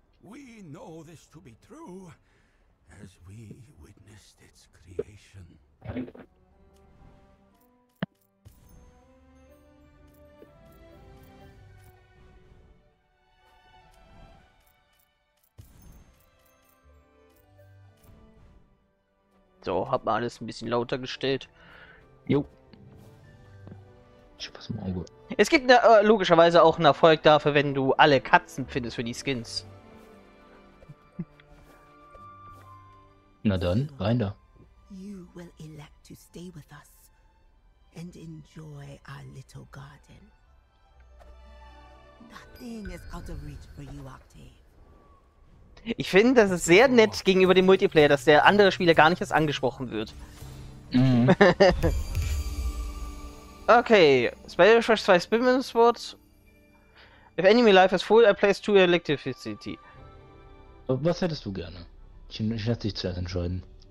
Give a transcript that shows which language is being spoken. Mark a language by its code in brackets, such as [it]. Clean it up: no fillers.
[en] We know this to be true, as we witnessed its creation. [de] So, hab mal alles ein bisschen lauter gestellt. Jo. Ich pass mal Auge. Es gibt logischerweise auch einen Erfolg dafür, wenn du alle Katzen findest für die Skins. Na dann, rein da. [en] You will elect to stay with us and enjoy our little garden. Nothing is out of reach for you, Octave. [de] Ich finde, das ist sehr nett gegenüber dem Multiplayer, dass der andere Spieler gar nicht erst angesprochen wird. Mhm. [en] Okay, Spider Fresh 2 Spinman Sword. If enemy life is full, I place 2 electricity. [de] Was hättest du gerne? Ich lasse dich zuerst entscheiden.